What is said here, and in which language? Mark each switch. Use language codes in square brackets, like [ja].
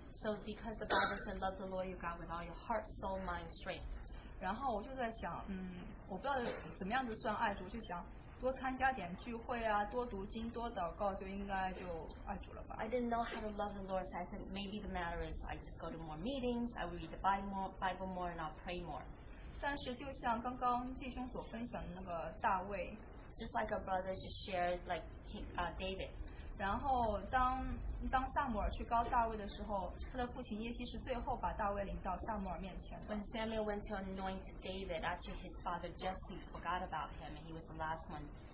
[en] So because the Bible says love the Lord your God with all your heart, soul, mind, strength. [zh] 然后我就在想，我不知道怎么样子算爱主，就想。多参加点聚会啊，多读经，多祷告，就应该就爱主了吧。 [en] I didn't know how to love the Lord, so I said maybe the matter is I just go to more meetings, I read the Bible more, and I'll pray more. [zh] 但是就像刚刚弟兄所分享的那个大卫， [en] just like a brother just shared, like David. [zh] 然后当萨母尔去高大卫的时候，他的父亲耶西是最后把大卫领到萨母尔面前。 [en] When Samuel went to anoint David, actually his father Jesse forgot about him, and he was the last one.